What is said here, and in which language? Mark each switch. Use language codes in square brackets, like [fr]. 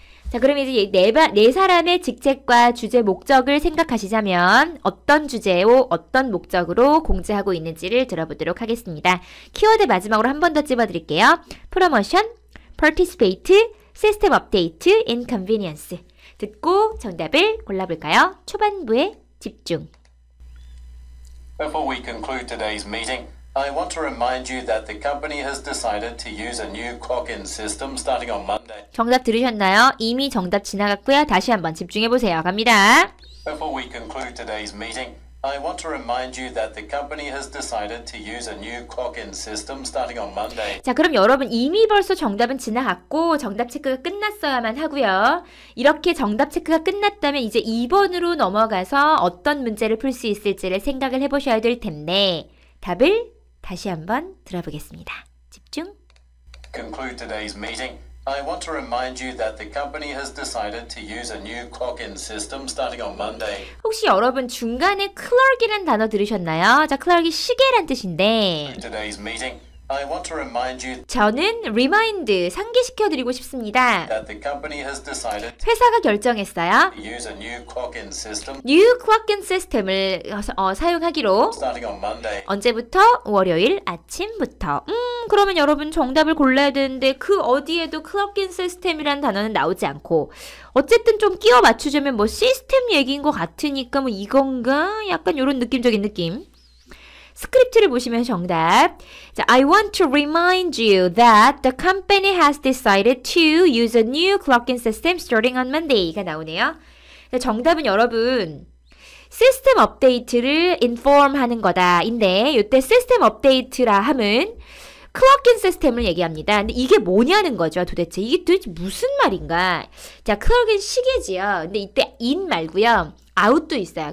[ko] 자, 그럼 이제 네 사람의 직책과 주제 목적을 생각하시자면 어떤 주제로 어떤 목적으로 공지하고 있는지를 들어보도록 하겠습니다. 키워드 마지막으로 한 번 더 집어드릴게요. [en] Promotion, Participate, System Update, Inconvenience. [ko] 듣고 정답을 골라볼까요? 초반부에 집중. [en] Before we conclude today's meeting, I want to remind you that the company has decided to use a new clock-in system starting on Monday. [ko] 정답 들으셨나요? 이미 정답 지나갔고요. 다시 한번 집중해 보세요. 갑니다. [en] Before we conclude today's meeting, I want to remind you that the company has decided to use a new clock-in system starting on Monday. [ko] 자, 그럼 여러분 이미 벌써 정답은 지나갔고 정답 체크가 끝났어야만 하고요. 이렇게 정답 체크가 끝났다면 이제 2번으로 넘어가서 어떤 문제를 풀수 있을지를 생각을 해보셔야 될 텐데 답을 다시 한번 들어보겠습니다. 집중. [en] Conclude today's meeting. I want to remind you that the company has decided to use a new clock-in system starting on Monday. [ko] 혹시 여러분 중간에 클럭이라는 단어 들으셨나요? 자, 클럭이 시계란 뜻인데, [en] Today's meeting, I want to remind you [ko] 저는 리마인드, 상기시켜 드리고 싶습니다. [en] that the company has decided [ko] 회사가 결정했어요. [en] to use a new clock-in system New clock-in system [ko] 을 사용하기로 [en] starting on Monday. [ko] 언제부터? 월요일 아침부터. 그러면 여러분 정답을 골라야 되는데 그 어디에도 클럭인 시스템이라는 단어는 나오지 않고 어쨌든 좀 끼워 맞추자면 뭐 시스템 얘기인 것 같으니까 뭐 이건가? 약간 이런 느낌적인 느낌. 스크립트를 보시면 정답. [en] 자, I want to remind you that the company has decided to use a new clock-in system starting on Monday [ko] 가 나오네요. 정답은 여러분. 시스템 업데이트를 inform 하는 거다인데 이때 시스템 업데이트라 함은 클럭인 시스템을 얘기합니다. 근데 이게 뭐냐는 거죠, 도대체. 이게 도대체 무슨 말인가? 자, 클럭인 시계지요. 근데 이때 in 말고요. out도 있어요.